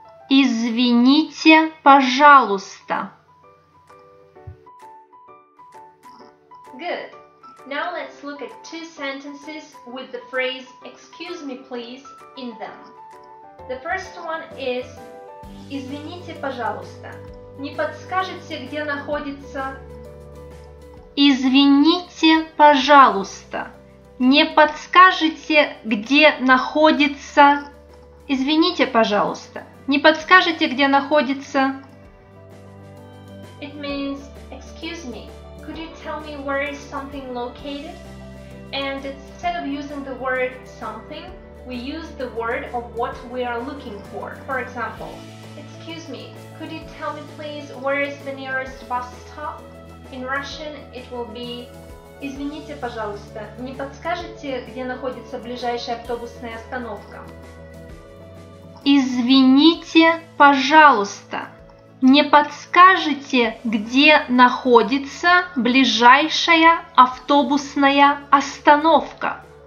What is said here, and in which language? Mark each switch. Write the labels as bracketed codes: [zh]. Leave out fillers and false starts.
[ru] Извините, пожалуйста. [en] Good. Now let's look at two sentences with the phrase excuse me please in them. The first one is [ru] Извините, пожалуйста. Не подскажете, где находится? Извините, пожалуйста. Не подскажете, где находится? Извините, пожалуйста. Не подскажете, где находится? [en] It means, excuse me, could you tell me where is something located? And instead of using the word something, we use the word of what we are looking for. For example, excuse me, could you tell me please where is the nearest bus stop? In Russian it will be [ru] Извините, пожалуйста, не подскажете, где находится ближайшая автобусная остановка? Извините, пожалуйста, не подскажете, где находится ближайшая автобусная остановка?